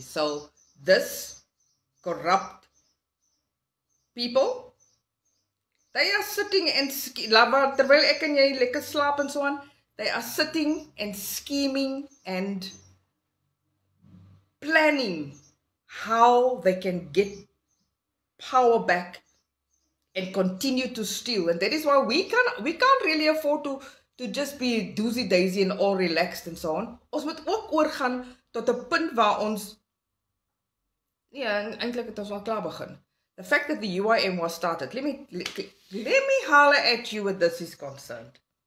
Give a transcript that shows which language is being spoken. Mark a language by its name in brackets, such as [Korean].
[English] So this corrupt people, they are sitting and scheming, [Afrikaans] terwyl ek en jy lekker slaap [English] en so on, they are sitting and scheming and planning how they can get power back and continue to steal. And that is why we can't really afford to just be doozy daisy and all relaxed and so on. [Afrikaans] Ons moet ook oorgaan tot 'n punt waar ons, ja, eintlik het ons al klaar begin. [English] The fact that the UIM was started, let me holler at you where this is concerned.